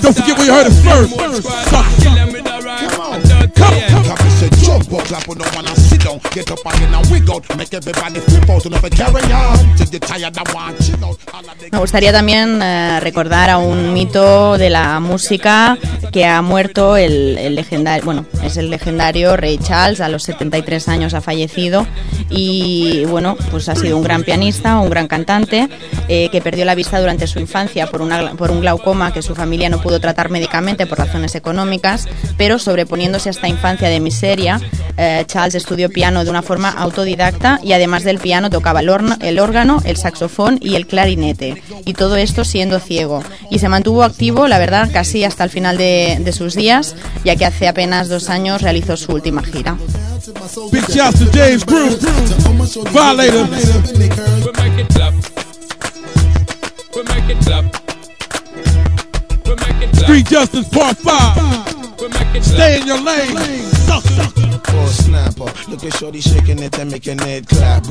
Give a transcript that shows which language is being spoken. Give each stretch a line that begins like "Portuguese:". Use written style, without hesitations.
English: Don't forget where you heard it first. Killin' with the rhyme. Come on. I said jump up, clap on the one and sit down. Get up and get a wig out. Make everybody flip out. Don't ever carry on. Take the tired and one chill out.
Spanish: Me gustaría también recordar a un mito de la música que ha muerto, el legendario Ray Charles. A los 73 años ha fallecido y bueno, pues ha sido un gran pianista, un gran cantante, que perdió la vista durante su infancia por un glaucoma que su familia no pudo tratar médicamente por razones económicas, pero sobreponiéndose a esta infancia de miseria, Charles estudió piano de una forma autodidacta y además del piano tocaba el órgano, el saxofón y el clarinete, y todo esto siendo ciego. Y se mantuvo activo, la verdad, casi hasta el final de sus días, ya que hace apenas 2 años realizó su última gira.
English: Big shout to James Bruce. Violator. We make it clap. We make it clap. We make it clap. Street Justice Part 5. We make it clap. Stay in your lane. Suck, suck. Or a snapper, look at shorty shaking it and making it clap.